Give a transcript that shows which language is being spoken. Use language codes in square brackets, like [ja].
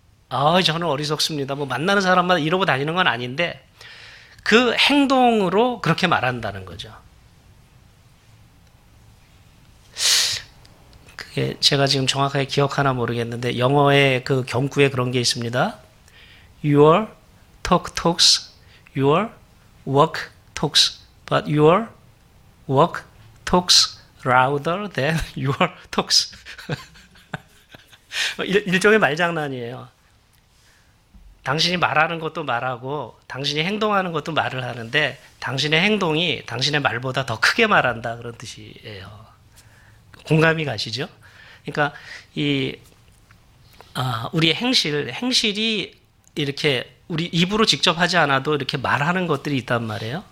[ko] 아, 저는 어리석습니다. 뭐 만나는 사람마다 이러고 다니는 건 아닌데 그 행동으로 그렇게 말한다는 거죠. 그게 제가 지금 정확하게 기억하나 모르겠는데 영어의 그 경구에 그런 게 있습니다. [en] Your talk talks, your work talks, but your work talks louder than your talks. [ko] 일종의 말장난이에요. 당신이 말하는 것도 말하고 당신이 행동하는 것도 말을 하는데 당신의 행동이 당신의 말보다 더 크게 말한다 그런 뜻이에요. 공감이 가시죠? 그러니까 이 우리의 행실이 이렇게 우리 입으로 직접 하지 않아도 이렇게 말하는 것들이 있단 말이에요.